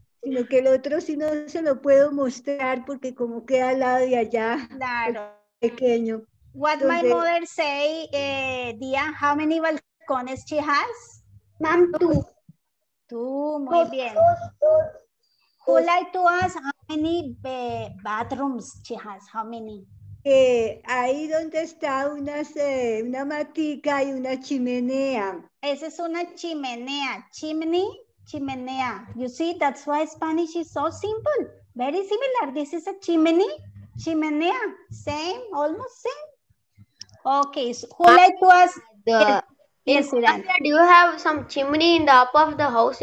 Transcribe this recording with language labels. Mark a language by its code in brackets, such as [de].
[es] Sino que el otro sí no se lo puedo mostrar porque como queda al lado de allá. Claro. Pequeño. [en] What [es] entonces, [en] my mother say, Dia, how many balcones she has? Mom, two. [es] Tú, muy bien. [en] Who like to ask how many bathrooms she has? How many? [es] Ahí donde está una matica y una chimenea. Esa es una chimenea. Chimney, chimenea. [en] You see, that's why Spanish is so simple. Very similar. This is a chimney, chimenea. Same, almost same. Okay, so who like to ask? Do you have some chimney in the upper of the house?